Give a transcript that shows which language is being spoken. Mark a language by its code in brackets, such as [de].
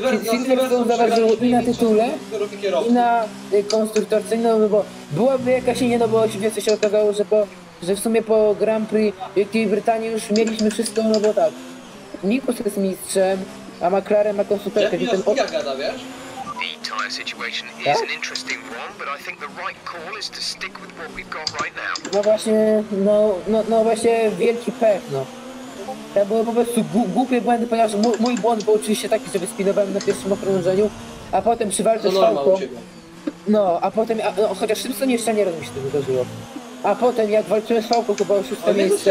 [pl] Silverstone zaważył i na tytule, i na konstruktorce, no bo byłaby jakaś inna, no bo oczywiście się okazało, że po... Że w sumie po Grand Prix Wielkiej Brytanii już mieliśmy wszystko, no bo tak. Nikos jest mistrzem, a McLaren ma konstruktorkę. Jak to jest gada, wiesz? [en] The tire situation is an interesting one, but I think the right call is to stick with what we've got right now. [pl] No właśnie, no właśnie wielki pech, no. To były po prostu głupie błędy, ponieważ mój błąd był oczywiście taki, że wyspinowałem na pierwszym okrążeniu, a potem przy walce z fałką. No, a potem, chociaż w tym sezonie jeszcze nie raz mi się to wydarzyło. A potem jak walczyłem z fałką, chyba o szóste miejsce.